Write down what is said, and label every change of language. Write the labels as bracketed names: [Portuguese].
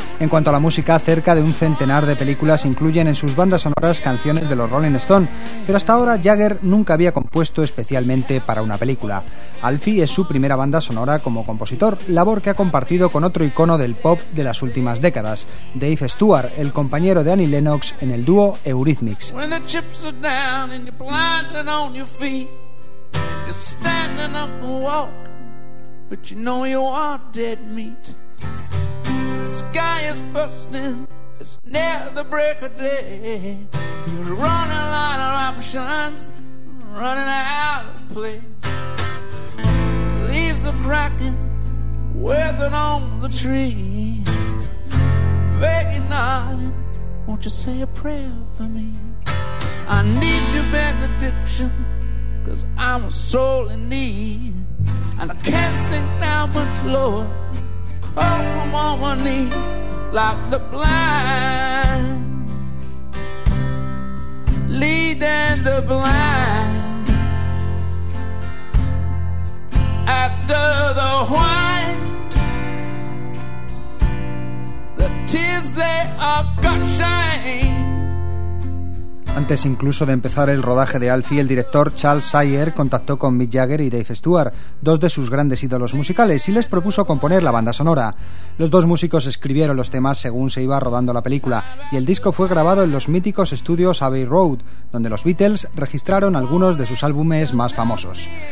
[Spanish] En cuanto a la música, cerca de un centenar de películas incluyen en sus bandas sonoras canciones de los Rolling Stones, pero hasta ahora Jagger nunca había compuesto especialmente para una película. Alfie es su primera banda sonora como compositor, labor que ha compartido con otro icono del pop de las últimas décadas, Dave Stewart, el compañero de Annie Lennox en el dúo Eurythmics. [English] When the chips are down and you're blinding on your feet, you're standing up and walking, but you know you are dead meat. The sky is bursting, it's near the break of day. You're running out of options, running out of place. Leaves are cracking, weathered on the tree. Begging, darling, won't you say a prayer for me? I need your benediction, 'cause I'm a soul in need. And I can't sink down much lower, 'cause I'm on my knees like the blind, leading the blind after the wine. The tears, they are gushing. [Spanish] Antes incluso de empezar el rodaje de Alfie, el director Charles Sayer contactó con Mick Jagger y Dave Stewart, dos de sus grandes ídolos musicales, y les propuso componer la banda sonora. Los dos músicos escribieron los temas según se iba rodando la película, y el disco fue grabado en los míticos estudios Abbey Road, donde los Beatles registraron algunos de sus álbumes más famosos.